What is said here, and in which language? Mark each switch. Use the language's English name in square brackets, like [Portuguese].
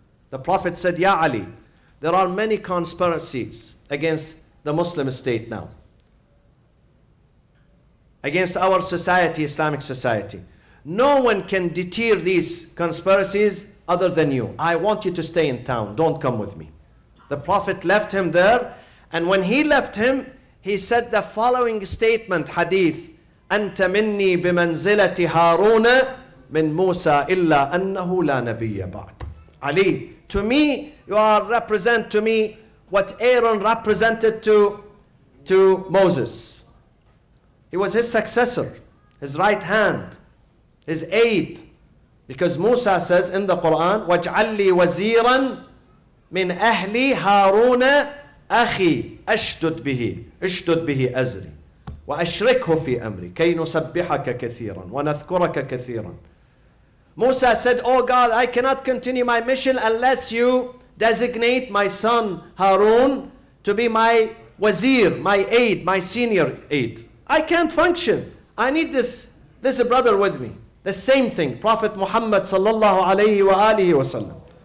[English] The Prophet said, Ya Ali, there are many conspiracies against the Muslim state now, against our society, Islamic society. No one can deter these conspiracies other than you. I want you to stay in town. Don't come with me. The Prophet left him there. And when he left him, he said the following statement, hadith, [Arabic] أَنْتَ مِنِّي بِمَنْزِلَةِ هَارُونَ مِنْ مُوسَى إِلَّا أَنَّهُ لَا نَبِيَّ بَعْدٍ. [English] Ali, to me, you are represent to me what Aaron represented to Moses. He was his successor, his right hand, his aid. Because Musa says in the Quran, [Arabic] وَاجْعَلِّي وَزِيرًا مِنْ أَهْلِي هَارُونَ أَخِي أَشْدُدْ بِهِ أَزْرِي وَأَشْرِكْهُ فِي أَمْرِي كَيْ نُسَبِّحَكَ كَثِيرًا وَنَذْكُرَكَ كَثِيرًا. [English] Musa said, oh God, I cannot continue my mission unless you designate my son Harun to be my wazir, my aide, my senior aide. I can't function. I need this brother with me. The same thing, Prophet Muhammad sallallahu alayhi wa alihi wa sallam.